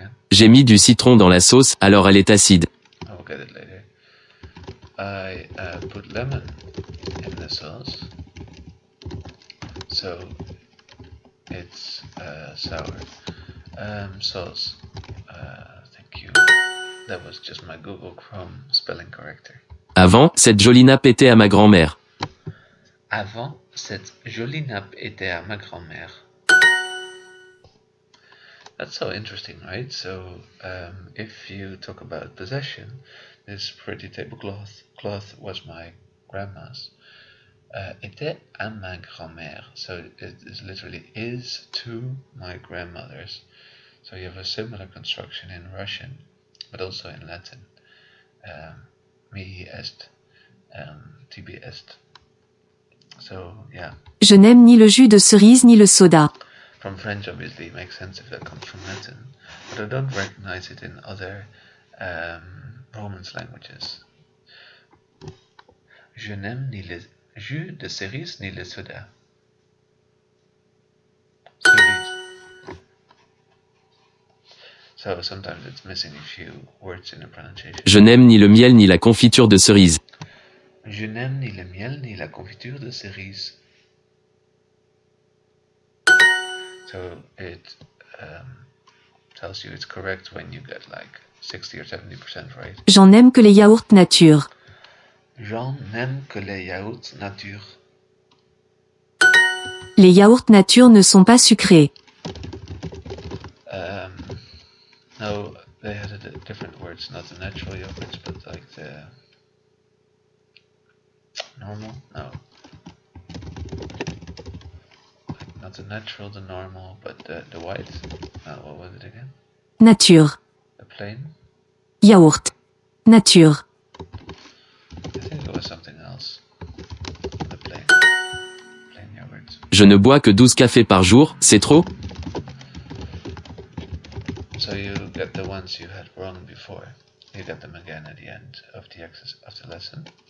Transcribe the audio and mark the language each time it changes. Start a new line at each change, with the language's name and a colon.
French: J'ai mis du citron dans la sauce, alors elle est acide.
English: I'll get it later. I put lemon in the sauce, so it's sour. Sauce. Thank you. That was just my Google Chrome spelling corrector.
French: Avant, cette jolie nappe était à ma grand-mère. Avant, cette jolie nappe était à ma grand-mère.
English: That's so interesting, right? So, if you talk about possession, this pretty tablecloth was my grandma's.
French: Était à ma grand-mère.
English: So, it is literally is to my grandmother's. So, you have a similar construction in Russian, but also in Latin.
Latin: Mihi est, tibi est.
English: So, yeah.
French: Je n'aime ni le jus de cerise ni le soda.
English: From French, obviously, it makes sense if that comes from Latin. But I don't recognize it in other Romance languages.
French: Je n'aime ni le jus de cerise ni le soda.
English: So sometimes it's missing a few words in the pronunciation.
French: Je n'aime ni le miel ni la confiture de cerise. Je n'aime ni le miel ni la confiture de cerise.
English: So it tells you it's correct when you get like 60 or 70% right.
French: J'en aime que les yaourts nature. J'en aime que les yaourts nature. Les yaourts nature ne sont pas sucrés.
English: No, they had a different words, not the natural yogurts, but like the normal? No. Like not the natural, the normal, but the white? No, what was it again?
French: Nature.
English: The plain?
French: Yaourt. Nature.
English: I think it was something else. The plain. Plain yogurt.
French: Je ne bois que 12 cafés par jour, c'est trop?
English: So you get the ones you had wrong before. You get them again at the end of the lesson.